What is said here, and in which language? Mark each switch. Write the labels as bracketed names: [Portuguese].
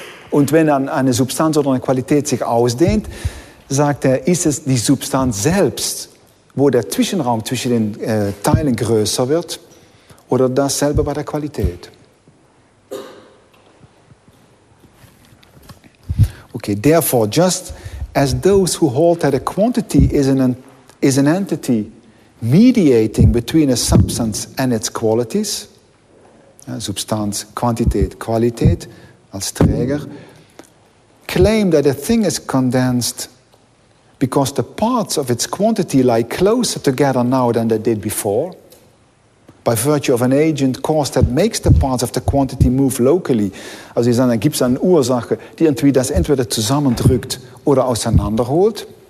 [German] Und wenn dann eine Substanz oder eine Qualität sich ausdehnt, sagt er, ist es die Substanz selbst, wo der Zwischenraum zwischen den Teilen größer wird, oder dasselbe bei der Qualität? [English] Okay, therefore, just as those who hold that a quantity is an entity mediating between a substance and its qualities, [German] ja, Substanz, Quantität, Qualität als Träger, [English] claim that a thing is condensed because the parts of its quantity lie closer together now than they did before, by virtue of an agent cause that makes the parts of the quantity move locally. [German] Also dann gibt es eine Ursache, die irgendwie das entweder zusammendrückt oder auseinanderholt.